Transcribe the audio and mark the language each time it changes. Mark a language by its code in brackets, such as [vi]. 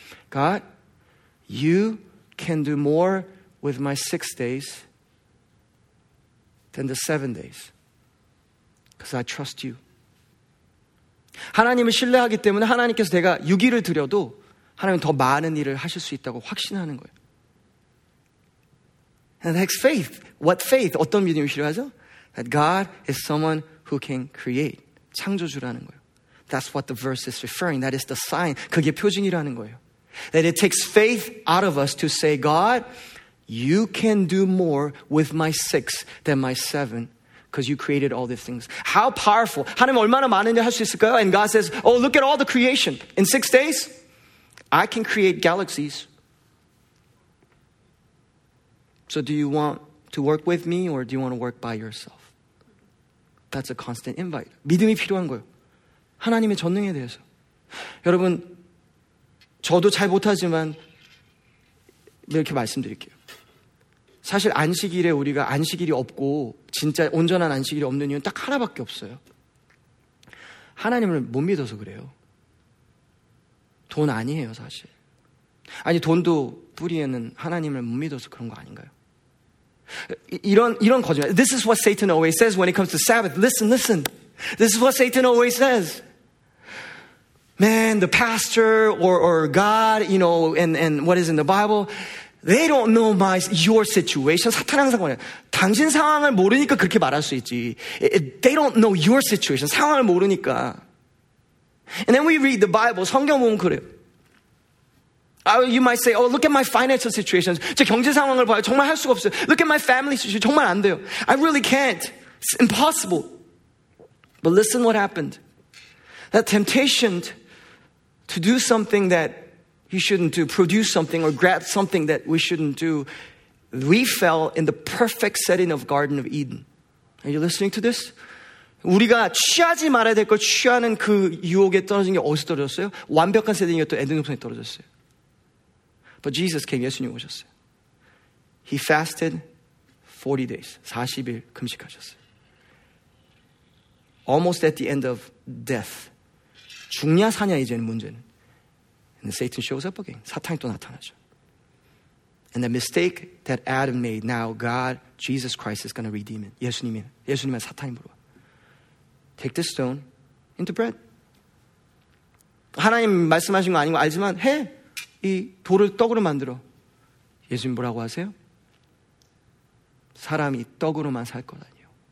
[en] God, you can do more with my 6 days than the 7 days. Because I trust you. [ko] 하나님을 신뢰하기 때문에 하나님께서 내가 6일을 드려도 하나님은 더 많은 일을 하실 수 있다고 확신하는 거예요. [en] And that's faith. What faith? [ko] 어떤 믿음이 필요하죠? [en] That God is someone who can create. [ko] 창조주라는 거예요. [en] That's what the verse is referring. That is the sign. [ko] 그게 표징이라는 거예요. [en] That it takes faith out of us to say, God, you can do more with my 6 than my 7. Because you created all these things. How powerful. [ko] 하나님 얼마나 많은 일 할 수 있을까요? [en] And God says, oh, look at all the creation. In 6 days, I can create galaxies. So do you want to work with me or do you want to work by yourself? That's a constant invite. [ko] 믿음이 필요한 거예요. 하나님의 전능에 대해서. 여러분, 저도 잘 못하지만 이렇게 말씀드릴게요. 사실 안식일에 우리가 안식일이 없고 진짜 온전한 안식일이 없는 이유는 딱 하나밖에 없어요. 하나님을 못 믿어서 그래요. 돈 아니에요, 사실. 아니, 돈도 뿌리에는 하나님을 못 믿어서 그런 거 아닌가요? 이런 거짓말. [en] This is what Satan always says when it comes to Sabbath. Listen. This is what Satan always says. man, the pastor or God, you know, and what is in the Bible, they don't know your situation. [ko] 사탄은 항상 뭐냐? 당신 상황을 모르니까 그렇게 말할 수 있지. [en] They don't know your situation. [ko] 상황을 모르니까. [en] And then we read the Bible. [ko] 성경 보면 그래요. [en] You might say, oh, look at my financial situation. [ko] 제 경제 상황을 봐요. 정말 할 수가 없어요. [en] Look at my family situation. [ko] 정말 안 돼요. [en] I really can't. It's impossible. But listen what happened. That temptation to do something that you shouldn't do, produce something or grab something that we shouldn't do, we fell in the perfect setting of Garden of Eden. Are you listening to this? [ko] 우리가 취하지 말아야 될 걸 취하는 그 유혹에 떨어진 게 어디서 떨어졌어요? 완벽한 세팅이었던 에덴 동산에 떨어졌어요. [en] But Jesus came, [ko] 예수님 오셨어요. [en] He fasted 40 days, [ko] 40일 금식하셨어요. [en] Almost at the end of death. [ko] 죽냐 사냐 이제는 문제는. [en] And Satan shows up again. [ko] 사탄이 또 나타나죠. [en] And the mistake that Adam made, now God, Jesus Christ is going to redeem it. [ko] 예수님은 사탄이 물어봐. [en] Take this stone into bread. [ko] 하나님 말씀하신 거 아닌 거 알지만 해. 이 돌을 떡으로 만들어. 예수님 뭐라고 하세요? 사람이 떡으로만 살 것 아니에요.